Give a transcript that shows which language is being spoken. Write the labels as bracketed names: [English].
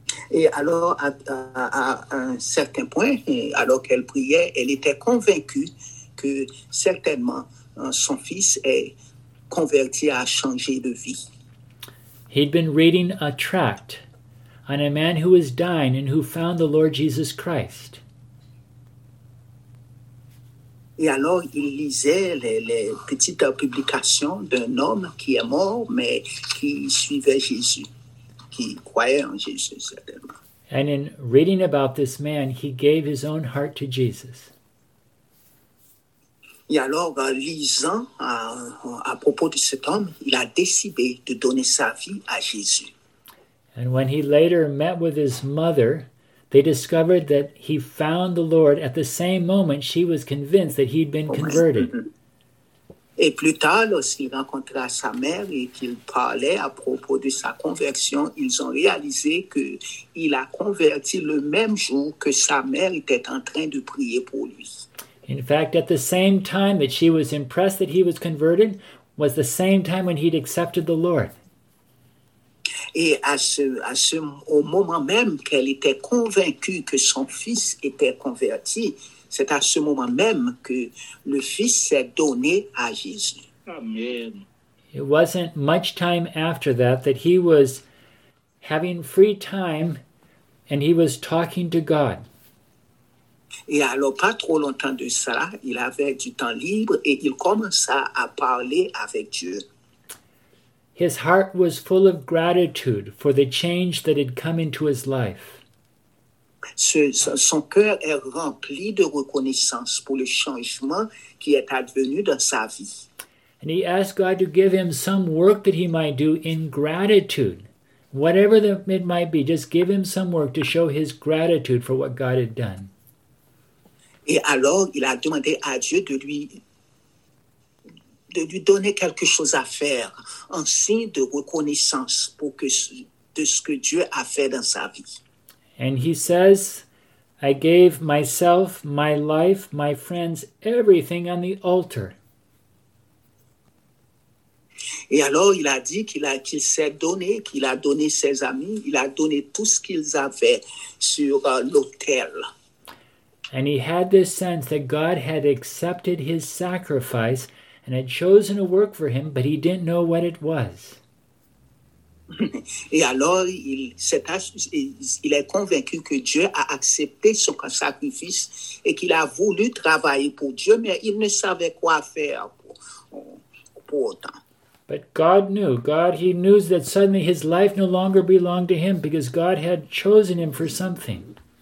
[French] Et alors, à un certain point, alors qu'elle priait, elle était convaincue que certainement son fils est converti, a changé de vie. [English] He'd been reading a tract on a man who was dying and who found the Lord Jesus Christ. [French] Et alors, il lisait les petites publications d'un homme qui est mort, mais qui suivait Jésus, qui croyait en Jésus, certainement. [English] And in reading about this man, he gave his own heart to Jesus. [French] Et alors, en lisant à propos de cet homme, il a décidé de donner sa vie à Jésus. [English] And when he later met with his mother, they discovered that he found the Lord at the same moment she was convinced that he'd been converted. [French] Et plus tard, lorsqu'il rencontra sa mère et qu'il parlait à propos de sa conversion, ils ont réalisé qu'il a converti le même jour que sa mère était en train de prier pour lui. [English] In fact, at the same time that she was impressed that he was converted, was the same time when he'd accepted the Lord. [French] Et au moment même qu'elle était convaincue que son fils était converti, c'est à ce moment même que le fils s'est donné à Jésus. [English] Amen. It wasn't much time after that that he was having free time and he was talking to God. [French] Et alors, pas trop longtemps de ça, il avait du temps libre et il commença à parler avec Dieu. [English] His heart was full of gratitude for the change that had come into his life. [French] Son cœur est rempli de reconnaissance pour le changement qui est advenu dans sa vie. [English] And he asked God to give him some work that he might do in gratitude. Whatever it might be, just give him some work to show his gratitude for what God had done. [French] Et alors, il a demandé à Dieu de lui donner quelque chose à faire, un signe de reconnaissance de ce que Dieu a fait dans sa vie. [English] And he says, I gave myself, my life, my friends, everything on the altar. [French] Et alors, il a dit qu'il a donné ses amis, il a donné tout ce qu'ils avaient sur l'autel. [English] And he had this sense that God had accepted his sacrifice and had chosen a work for him, but he didn't know what it was. [French] Et alors, il est convaincu que Dieu a accepté son sacrifice et qu'il a voulu travailler pour Dieu, mais il ne savait quoi faire pour autant. [English] But God knew, he knew that suddenly his life no longer belonged to him because God had chosen him for something.